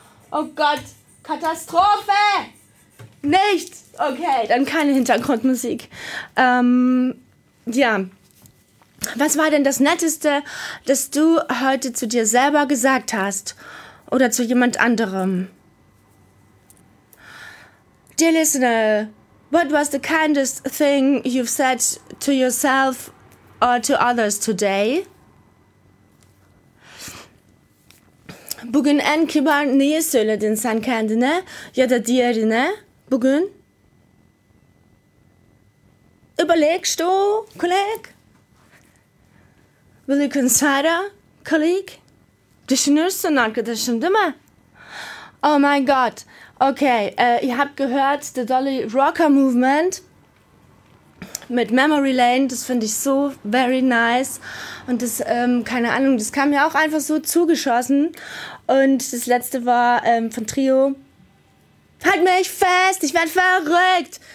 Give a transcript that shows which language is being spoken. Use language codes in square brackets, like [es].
[de] Oh Gott, Katastrophe! Nichts! Okay, dann keine Hintergrundmusik. Ja. Was war denn das Netteste, das du heute zu dir selber gesagt hast? Oder zu jemand anderem? [en] Dear Listener, what was the kindest thing you've said to yourself or to others today? [tr] Bugün en kibar neyi söyledin sen kendine ya da diğerine bugün? [de] Überlegst du, Kolleg? [en] Will you consider, Kolleg? [tr] Düşünürsün nur arkadaşım, değil mi? [en] Oh my God. [de] Okay, ihr habt gehört, The Dolly Rocker Movement mit Memory Lane, das finde ich [en] so very nice. [de] Und das, keine Ahnung, das kam mir auch einfach so zugeschossen. Und das letzte war von Trio. Halt mich fest, ich werde verrückt.